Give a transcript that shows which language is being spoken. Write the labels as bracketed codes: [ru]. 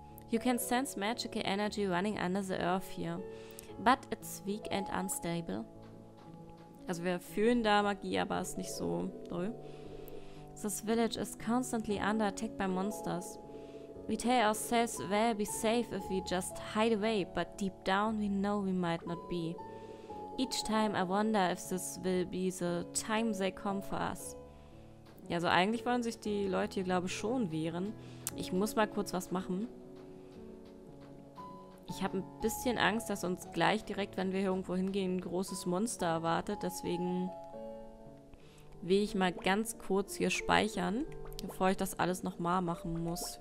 [en] You can sense magical energy running under the earth here. But it's weak and unstable. [de] Also wir fühlen da Magie, aber es ist nicht so doll. [en] This village is constantly under attack by monsters. We tell ourselves we'll be safe if we just hide away, but deep down we know we might not be. Each time I wonder if this will be the time they come for us. [de] Ja, also eigentlich wollen sich die Leute hier, glaube ich, schon wehren. Ich muss mal kurz was machen. Ich habe ein bisschen Angst, dass uns gleich direkt, wenn wir hier irgendwo hingehen, ein großes Monster erwartet. Deswegen will ich mal ganz kurz hier speichern, bevor ich das alles nochmal machen muss.